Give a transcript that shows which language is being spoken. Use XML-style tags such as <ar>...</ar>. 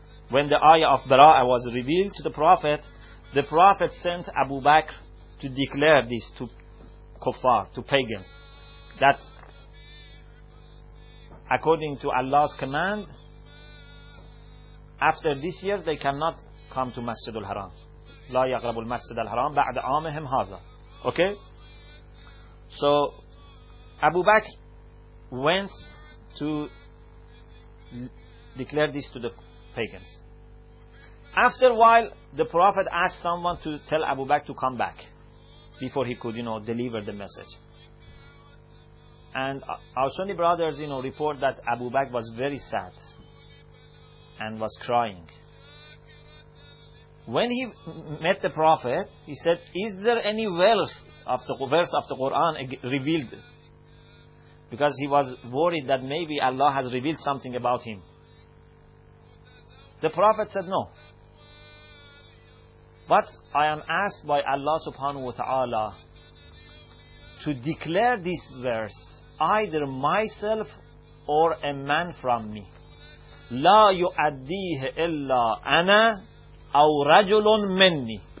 <en>When the ayah of Bara'ah was revealed to the Prophet sent Abu Bakr to declare this to kuffar, to pagans, that according to Allah's command, after this year they cannot come to Masjid al-Haram.</en> <ar>لا يقرب المسجد الحرام بعد عامهم هذا.</ar> <en>Okay? So Abu Bakr went to declare this to the pagans. After a while, the Prophet asked someone to tell Abu Bakr to come back before he could, deliver the message. And our Sunni brothers, report that Abu Bakr was very sad and was crying. When he met the Prophet, he said, is there any verse of the Quran revealed? Because he was worried that maybe Allah has revealed something about him. The Prophet said, no. But I am asked by Allah subhanahu wa ta'ala to declare this verse either myself or a man from me.</en> <ar>لا يؤديه إلا أنا أو رجل مني.</ar>